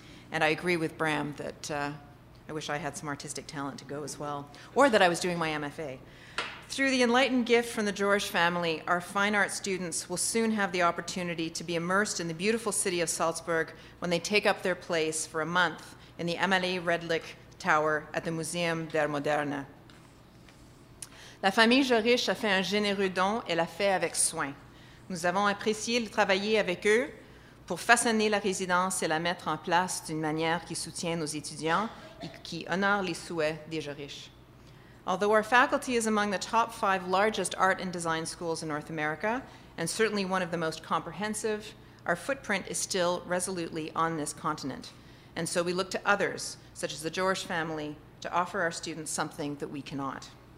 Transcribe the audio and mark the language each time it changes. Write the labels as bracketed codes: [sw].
[en] And I agree with Bram that I wish I had some artistic talent to go as well, or that I was doing my MFA. Through the enlightened gift from the Jorisch family, our fine arts students will soon have the opportunity to be immersed in the beautiful city of Salzburg when they take up their place for a month in the Amalie Redlich Tower at the Museum der Moderne. [fr] La famille Jorisch a fait un généreux don et l'a fait avec soin. Nous avons apprécié de travailler avec eux pour façonner la résidence et la mettre en place d'une manière qui soutient nos étudiants et qui honore les souhaits des Jorisch. [en] Although our faculty is among the top five largest art and design schools in North America, and certainly one of the most comprehensive, our footprint is still resolutely on this continent. And so we look to others, such as the Jorisch family, to offer our students something that we cannot.